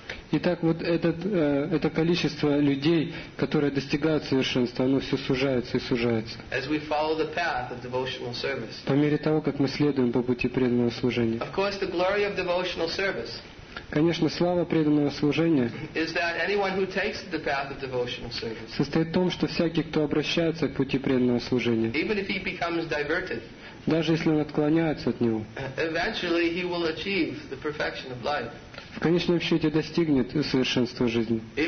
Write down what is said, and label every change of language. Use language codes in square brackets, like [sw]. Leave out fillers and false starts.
[ru] Итак, вот это количество людей, которые достигают совершенства, оно все сужается и сужается. [en] As we follow the path of devotional service. [ru] По мере того, как мы следуем по пути преданного служения. [en] Of course, the glory of devotional service. [ru] Конечно, слава преданного служения. [en] Is that anyone who takes the path of devotional service. [ru] Состоит в том, что всякий, кто обращается к пути преданного служения. [en] Even if he becomes diverted. [ru] Даже если он отклоняется от него. [en] Eventually he will achieve the perfection of life. [ru] В конечном счете достигнет совершенства жизни.